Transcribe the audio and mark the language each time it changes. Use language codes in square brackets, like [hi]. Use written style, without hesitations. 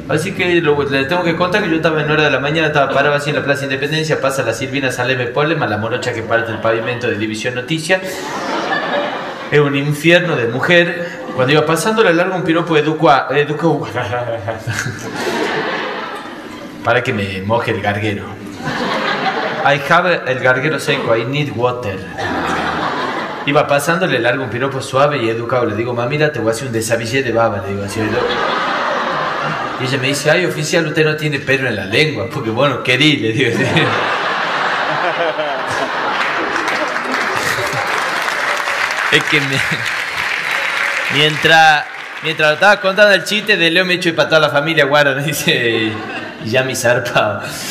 [es] Así que le tengo que contar que yo estaba en hora de la mañana, estaba parado así en la Plaza Independencia, pasa la Silvina Saleme Polema, la morocha que parte el pavimento de División Noticias. Es un infierno de mujer. Cuando iba pasando, le largo un piropo educa. Para que me moje el garguero. [en] I have [es] el garguero seco, [en] I need water. [es] Iba pasando, le largo un piropo suave y educado. Le digo, mamita, te voy a hacer un desabillé de baba. Le digo, así, ¿no? Y ella me dice, ay, oficial, usted no tiene pelo en la lengua, porque bueno, querí, le digo. Es que mientras lo estaba contando el chiste, de Leo me echó y para toda la familia, guarda, me dice, y ya me zarpaba.